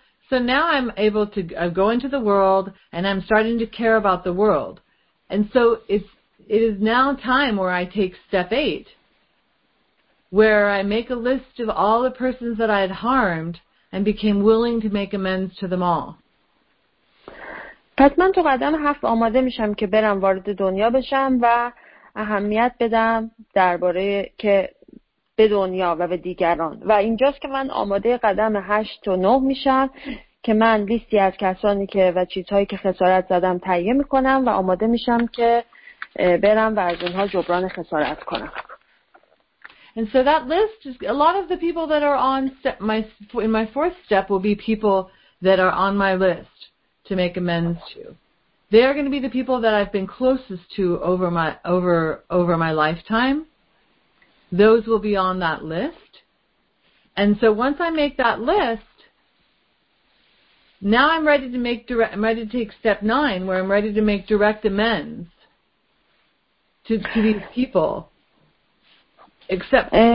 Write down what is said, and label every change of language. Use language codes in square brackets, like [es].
[en] So now I'm able to go into the world and I'm starting to care about the world. And so it is now time where I take step 8, where I make a list of all the persons that I had harmed and became willing to make amends to them all. [fa] پس من تو قدم هفت آماده میشم که برم وارد دنیا بشم و اهمیت بدم درباره که به دنیا و به دیگران. و اینجاست که من آماده قدم 8 و 9 میشم که من لیستی از کسانی که و چیزهایی که خسارت زدم تهیه میکنم و آماده میشم که برم و از اونها جبران خسارت کنم. [en] And so that list is a lot of the people that are on step, in my fourth step will be people that are on my list to make amends to. They are going to be the people that I've been closest to over my lifetime. Those will be on that list. And so once I make that list, now I'm ready to take step 9, where I'm ready to make direct amends to these people, except